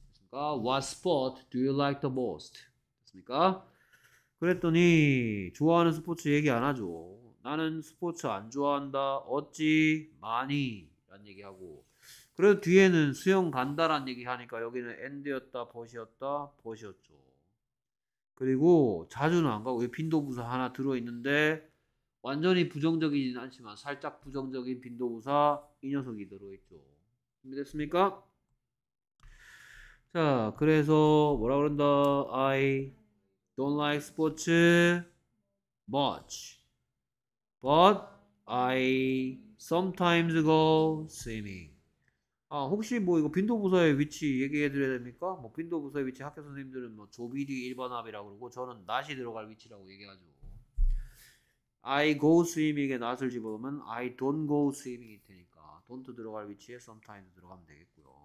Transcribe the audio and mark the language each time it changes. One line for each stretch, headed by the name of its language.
Korean: 그러니까
English: What sport do you like the most?
Korean: 그러니까 그랬더니 좋아하는 스포츠 얘기 안 하죠. 나는 스포츠 안 좋아한다. 어찌 많이? 라는 얘기하고. 그래도 뒤에는 수영 간다란 얘기 하니까 여기는 and였다, but였다, but였죠. 그리고 자주는 안 가고 빈도 부사 하나 들어 있는데 완전히 부정적이진 않지만 살짝 부정적인 빈도 부사 이 녀석이 들어 있죠. 준비됐습니까? 자, 그래서 뭐라 그런다?
English: I don't like sports much, but I sometimes go swimming.
Korean: 아, 혹시 뭐 이거 빈도부사의 위치 얘기해 드려야 됩니까? 뭐 빈도부사의 위치 학교 선생님들은 뭐 조비디 일반합이라고 그러고 저는 낫이 들어갈 위치라고 얘기하죠.
English: I go swimming
Korean: 에 낫을 집어넣으면
English: I don't go swimming
Korean: 이 되니까 don't 들어갈 위치에 sometimes 들어가면 되겠고요.